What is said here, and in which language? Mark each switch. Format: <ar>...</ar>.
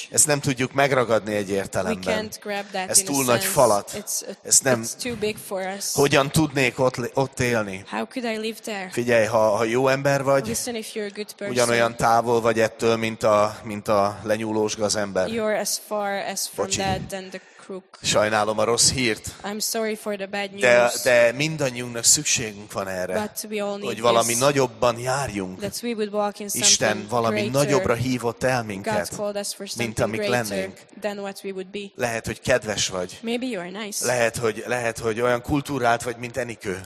<hu>Ezt nem tudjuk megragadni egy értelemben. Ez túl nagy</hu> <en>sense.</en> <hu>Falat. Ez nem.</hu> <en>Too big for us.</en> <hu>Hogyan tudnék ott élni?</hu> <en>How could I live there?</en> <hu>Figyelj, ha jó ember vagy.</hu> <en>Listen, if you're a good person,</en> <hu>ugyanolyan távol vagy ettől, mint a lenyúlós gazember.</hu> <en>You're as far as from that than the crook.</en> <hu>Sajnálom a rossz hírt.</hu> <en>I'm sorry for the bad news.</en> <hu>De mindannyiunknak szükségünk van erre. Hogy valami nagyobban járjunk. Isten valami</hu> <en>greater.</en> <hu>Nagyobbra hívott el minket, mint amik lennénk. Lehet, hogy kedves vagy.</hu> <en>Maybe you are nice.</en> <hu>Lehet, hogy olyan kultúrát vagy, mint Enikő.</hu>